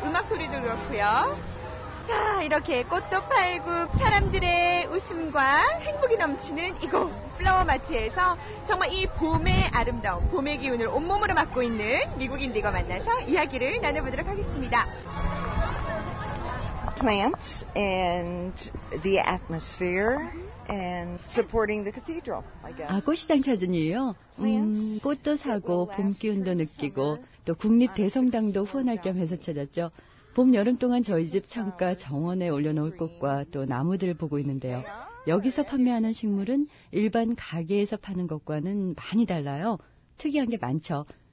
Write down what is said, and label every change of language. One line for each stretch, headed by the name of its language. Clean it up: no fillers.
Korean: 음악 소리도 그렇고요. 자, 이렇게 꽃도 팔고 사람들의 웃음과 행복이 넘치는 이곳 플라워마트에서 정말 이 봄의 아름다움, 봄의 기운을 온몸으로 맡고 있는 미국인들과 만나서 이야기를 나눠보도록 하겠습니다.
English: Plants and the atmosphere and supporting the cathedral, I guess.
Korean: 아, 꽃시장 찾은 이유요? 꽃도 사고 봄 기운도 느끼고 또 국립대성당도 후원할 겸 해서 찾았죠. 봄, 여름 동안 저희 집 창가 정원에 올려놓을 꽃과 또 나무들을 보고 있는데요. 여기서 판매하는 식물은 일반 가게에서 파는 것과는 많이 달라요. 특이한 게 많죠.